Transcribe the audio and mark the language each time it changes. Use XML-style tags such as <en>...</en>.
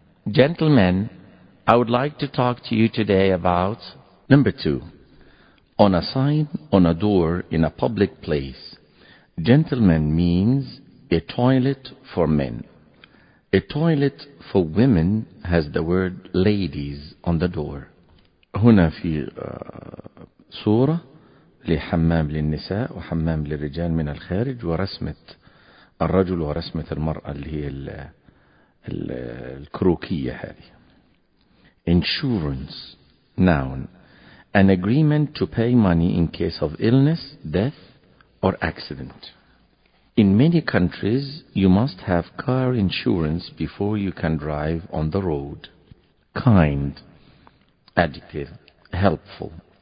<en>Gentlemen, I would like to talk to you today about... Number 2, on a sign on a door in a public place. Gentlemen means a toilet for men. A toilet for women has the word ladies on the door.</en> <ar>هنا في صورة لحمام للنساء وحمام للرجال من الخارج ورسمة الرجل ورسمة المرأة اللي هي الكروكية هذه.</ar> <en>Insurance, noun, an agreement to pay money in case of illness, death or accident. In many countries, you must have car insurance before you can drive on the road. Kind, adjective, helpful.</en>